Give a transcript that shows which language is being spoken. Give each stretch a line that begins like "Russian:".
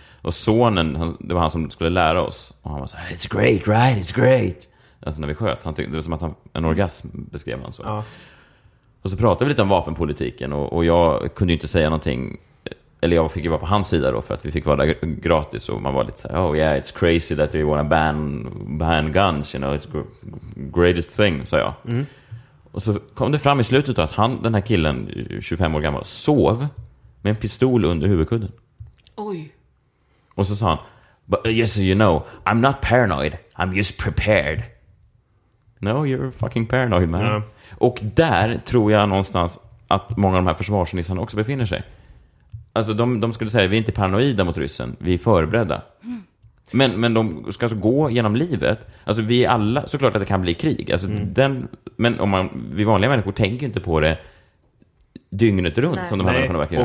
Swedish: Och sonen, det var han som skulle lära oss. Och han var så här:
English: it's great, right? It's great.
Swedish: Alltså när vi sköt, han tyckte, det var som att han, en orgasm, beskrev han så. Ja. Och så pratade vi lite om vapenpolitiken. Och jag kunde ju inte säga någonting. Eller jag fick ju vara på hans sida då, för att vi fick vara där gratis. Och man var lite så här:
English: oh yeah, it's crazy that we wanna ban guns, you know, it's greatest thing,
Swedish: sa jag. Mm. Och så kom det fram i slutet då att han, den här killen, 25 år gammal, sov med en pistol under huvudkudden. Oj. Och så sa han:
English: but yes, you know, I'm not paranoid, I'm just prepared. No, you're fucking paranoid, man. Mm.
Swedish: Och där tror jag någonstans att många av de här försvarsnissarna också befinner sig. Alltså de skulle säga, vi är inte paranoida mot ryssen, vi är förberedda. Men de ska alltså gå genom livet. Alltså vi är alla, såklart att det kan bli krig. Alltså den, men om man, vi vanliga människor tänker inte på det dygnet runt. Nej. Som de här människorna verkar göra.